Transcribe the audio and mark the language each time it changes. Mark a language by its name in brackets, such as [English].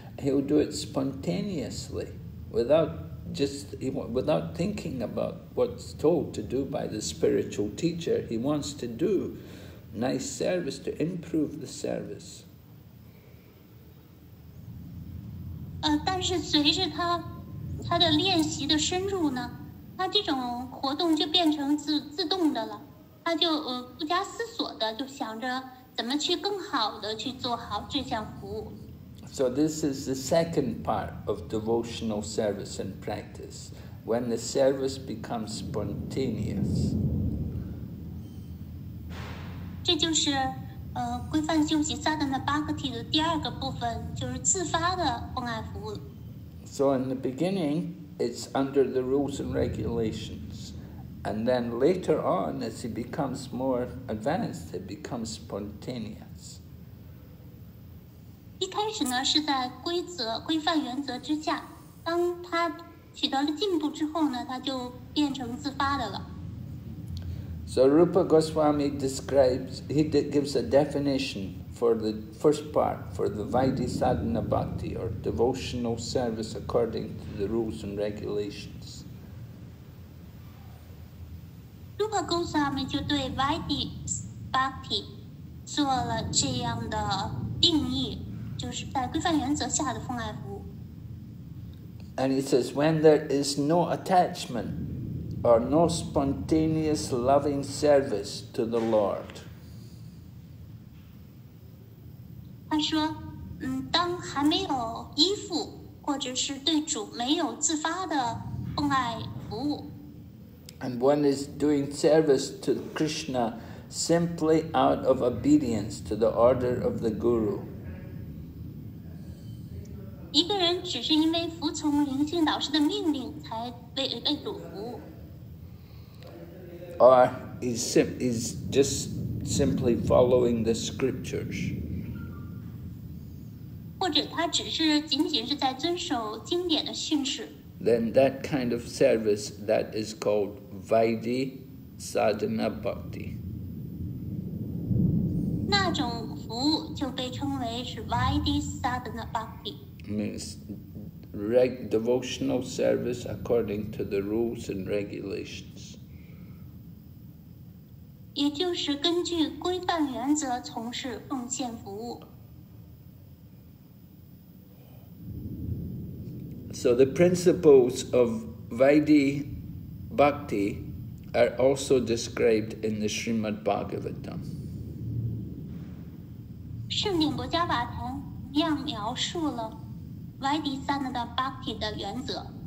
[English] He'll do it spontaneously, without thinking about what's told to do by the spiritual teacher. He wants to do nice service to improve the service. [Chinese] 但是随着他的练习的深入呢，他这种活动就变成自动的了。他就不加思索的就想着怎么去更好的去做好这项服务。 [English] So this is the second part of devotional service and practice, when the service becomes spontaneous. [Chinese] 这就是规范修习萨登的八个体的第二个部分，就是自发的关爱服务。 [English] So in the beginning, it's under the rules and regulations, and then later on, as it becomes more advanced, it becomes spontaneous. [Chinese] 一开始呢是在规则、规范、原则之下，当它取得了进步之后呢，它就变成自发的了。 [English] So Rupa Goswami describes, he gives a definition for the first part, for the Vaidhi Sadhana Bhakti, or devotional service according to the rules and regulations. [Chinese] Rupa Goswami 就对 Vaidhi Bhakti 做了这样的定义，就是在规范原则下的奉爱服务。 [English] And he says, when there is no attachment,or no spontaneous loving service to the Lord. [Chinese] 他说，当还没有依附，或者是对主没有自发的奉爱服务。 [English] And one is doing service to Krishna simply out of obedience to the order of the Guru. [Chinese] 一个人只是因为服从灵性导师的命令才为主服务。 [English] Or is just simply following the scriptures. [Chinese] 或者他只是仅仅是在遵守经典的训示。 [English] Then that kind of service that is called Vaidhi Sadhana Bhakti. [Chinese] 那种服务就被称为是 Vaidhi Sadhana Bhakti. [English] Means devotional service according to the rules and regulations. [Chinese] 也就是根据规范原则从事奉献服务。 [English] So the principles of Vaidhi Bhakti are also described in the Srimad Bhagavatam. [Chinese] 圣典薄伽瓦坛一样描述了 Vaidhi Sadhana Bhakti 的原则。